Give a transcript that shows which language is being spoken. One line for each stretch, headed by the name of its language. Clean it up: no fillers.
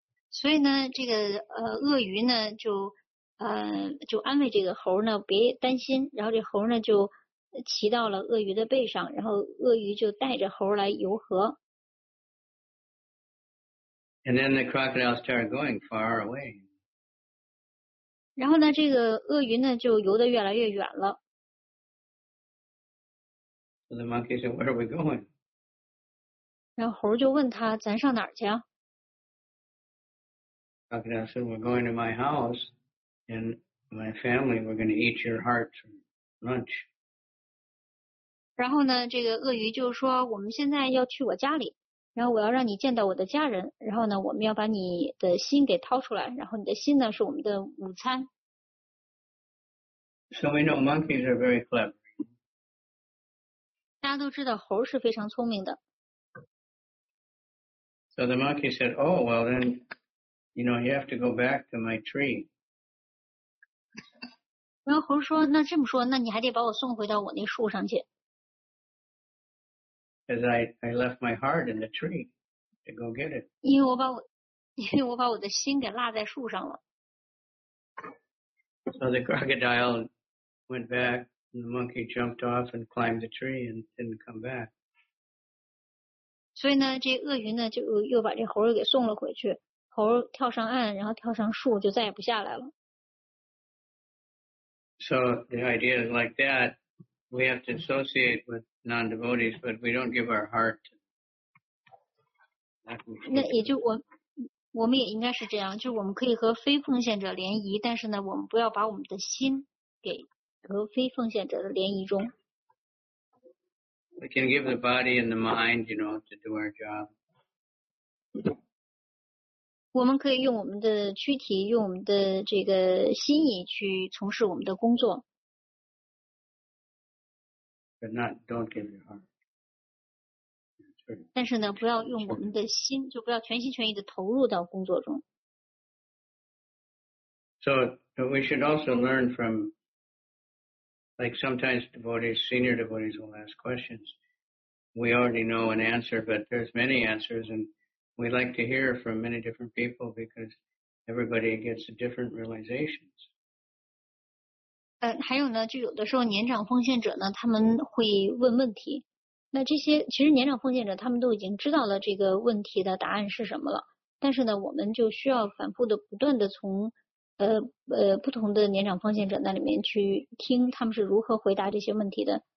Chinese: 所以呢，这个鳄鱼呢就安慰这个猴呢，别担心。然后这猴呢就骑到了鳄鱼的背上，然后鳄鱼就带着猴来游河。
English: And then the crocodile started going far away.
Chinese: 然后呢，这个鳄鱼呢就游得越来越远了。
English: So the monkey said, where are we going?
Chinese: 然后猴就问他咱上哪儿去啊
English: Crocodile said, we're going to my house and my family, we're going to eat your heart for lunch.
Chinese: 然后呢这个鳄鱼就说我们现在要去我家里然后我要让你见到我的家人然后呢我们要把你的心给掏出来然后你的心呢是我们的午餐。
English: So we know monkeys are very clever.
Chinese: 大家都知道猴是非常聪明的。
English: So the monkey said, oh, well then, you know, you have to go back to my tree.
Chinese: 然后猴说那这么说那你还得把我送回到我那树上去。
English: Because I left my heart in the tree to go get it.
Chinese: 因为我把我的心给落在树上了。
English: So the crocodile went back. And the monkey jumped off and climbed the tree and didn't come back.
Chinese: 所以呢这鳄鱼呢就又把这猴给送了回去。猴跳上岸然后跳上树就再也不下来了。
English: So the idea is like that, we have to associate with non-devotees, but we don't give our heart.
Chinese: 那也就我们也应该是这样就我们可以和非奉献者联谊但是呢我们不要把我们的心给。和非奉献者的联谊中。
English: We can give the body and the mind, you know, to do our job.
Chinese: 我们可以用我们的躯体，用我们的这个心意去从事我们的工作。
English: But not, don't give your heart.
Chinese: 但是呢，不要用我们的心，就不要全心全意的投入到工作中。
English: So we should also learn from, like sometimes devotees, senior devotees will ask questions. We already know an answer, but there's many answers, and we like to hear from many different people because everybody gets different realizations.
Chinese: 还有呢，就有的时候年长奉献者呢，他们会问问题。那这些其实年长奉献者他们都已经知道了这个问题的答案是什么了。但是呢，我们就需要反复的、不断的从不同的年长奉献者那里面去听他们是如何回答这些问题的。